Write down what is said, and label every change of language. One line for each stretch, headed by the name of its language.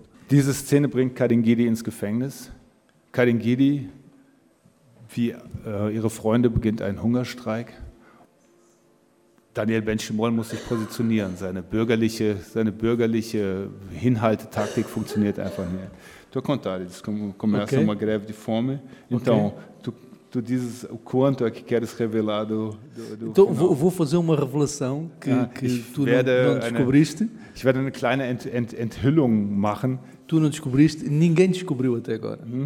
German: Diese Szene bringt Kadingidi ins Gefängnis. Kadingidi, wie ihre Freunde, beginnt einen Hungerstreik. Daniel Benchimol muss sich positionieren. Seine bürgerliche Hinhaltetaktik funktioniert einfach nicht.
Portuguese: Tu contares, começa uma greve de fome. Então, tu dizes o quanto é que queres revelar do Então, vou fazer uma revelação que tu não descobriste.
German: Ich werde eine kleine Enthüllung machen.
Portuguese: Tu não descobriste, ninguém descobriu até agora.